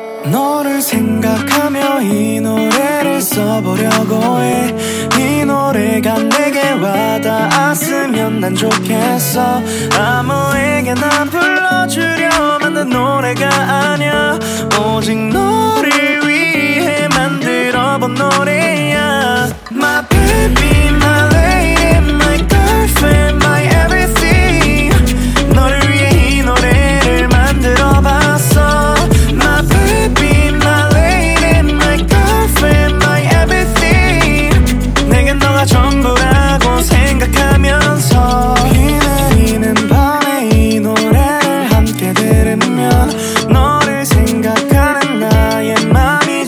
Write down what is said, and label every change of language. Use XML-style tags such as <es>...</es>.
<ko>너를 생각하며 이 노래를 써보려고 해. 이 노래가 내게 와닿았으면 난 좋겠어. 아무에게나 불러주려 만든 노래가 아니야. 오직 너를 위해 만들어본 노래야.</ko> <en>My baby, my lady, my girlfriend, my everything.</en> <ko>너를 위해 이 노래를 만들어봤어.</ko> <en>My baby, my lady, my girlfriend, my everything.</en> <ko>내겐 너가 전부라고 생각하면서 비 내리는 밤에 이 노래를 함께 들으면 너를 생각하는 나의 맘</ko>